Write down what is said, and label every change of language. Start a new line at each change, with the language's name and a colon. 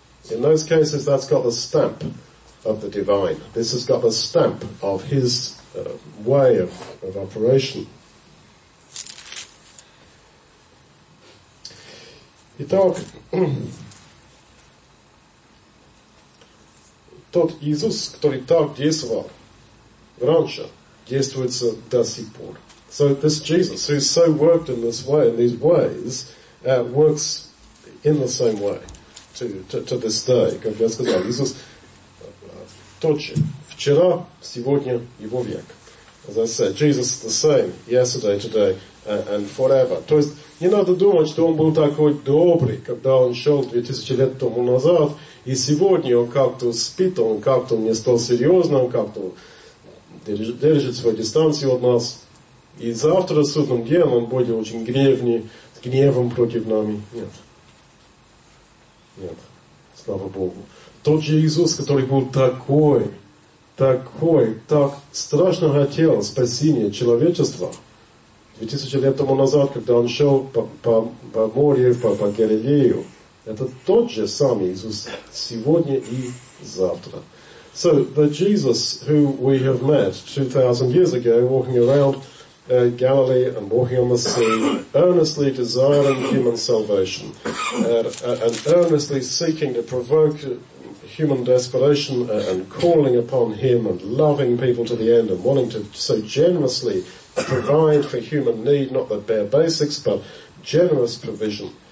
English: In those cases, that's got the stamp of the divine. This has got the stamp of his way of operation.
Russian: Итак, тот Иисус, который так действовал раньше, действует до сих пор.
English: So this Jesus, who so worked in this way, in these ways, works in the same way to this day.
Russian: Как я сказал, Иисус тот же вчера, сегодня и вовек.
English: As I said, Jesus the same yesterday, today, and forever.
Russian: То есть не надо думать, что он был такой добрый, когда он шел 2000 лет тому назад, и сегодня он как-то спит, он как-то не стал серьезным, как-то держит свою дистанцию от нас. И завтра, в судном дне, он будет очень гневный, с гневом против нами. Нет. Нет. Слава Богу. Тот же Иисус, который был такой, так страшно хотел спасения человечества, 2000 лет тому назад, когда он шел по морю, по Галилею, это тот же самый Иисус сегодня и завтра.
English: So, the Jesus who we have met 2,000 years ago, walking around Galilee and walking on the sea, earnestly desiring human salvation, and earnestly seeking to provoke human desperation and calling upon him and loving people to the end and wanting to so generously provide for human need, not the bare basics, but generous provision.